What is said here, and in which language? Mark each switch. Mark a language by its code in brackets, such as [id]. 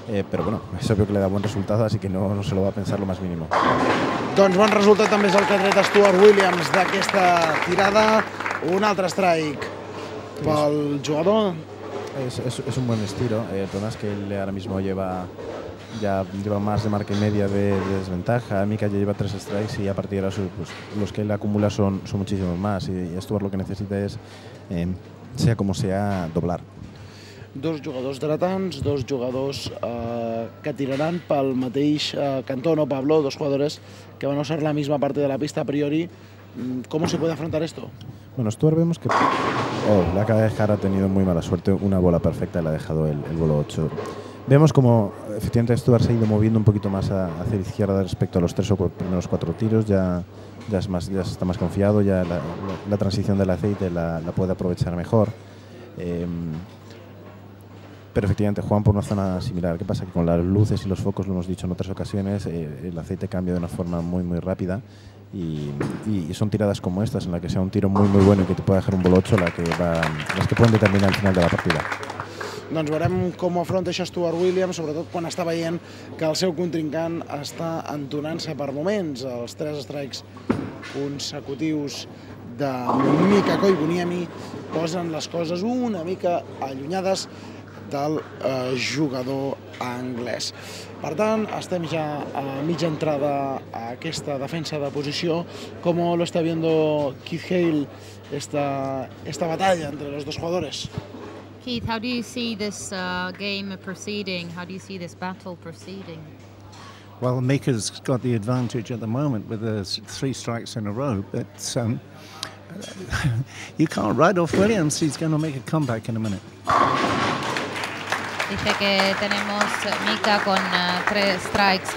[es] Pero bueno, es obvio que le da buen resultado, así que no se lo va a pensar lo más mínimo. [ca] Doncs bon resultat també és el que ha tret Stuart Williams d'aquesta tirada. Un altre strike pel jugador. [es] Es un buen estilo. El problema es que él ahora mismo lleva más de marca y media de desventaja. Mika ya lleva 3 strikes y a partir de ahora pues, los que él acumula son muchísimos más. Y Stuart lo que necesita es, sea como sea, doblar. [ca] Dos jugadors dretans, dos jugadors que tiraran pel mateix cantó, no, Pablo, [es] dos jugadores que van a usar la misma parte de la pista a priori. ¿Cómo se puede afrontar esto? Bueno, Stuart vemos que la acaba de dejar, ha tenido muy mala suerte, una bola perfecta y la ha dejado el bolo 8. Vemos como efectivamente Stuart se ha ido moviendo un poquito más hacia la izquierda respecto a los 3 o 4 primeros tiros, ya está más confiado, ya la transición del aceite la puede aprovechar mejor. Pero efectivamente juegan por una zona similar. ¿Qué pasa? Que con las luces y los focos, lo hemos dicho en otras ocasiones, el aceite cambia de una forma muy muy rápida y son tiradas como estas, en las que sea un tiro muy muy bueno y que te pueda dejar un bolo 8, las que pueden determinar el final de la partida. [ca] Doncs veurem com afronta això Stuart Williams, sobretot quan està veient que el seu contrincant està entonant-se per moments. Els 3 strikes consecutius de Mika Koivuniemi posen les coses una mica allunyades del jugador anglès. Per tant, estem ja a mitja entrada a aquesta defensa de posició. [es] ¿Com lo está viendo Keith Hale esta batalla entre los dos jugadores? [en] Keith, how do you see this game proceeding? How do you see this battle proceeding? Well, Mika's got the advantage at the moment with the three strikes in a row, but you can't write off Williams. He's going to make a comeback in a minute. [es] Dice que tenemos Mika con tres strikes.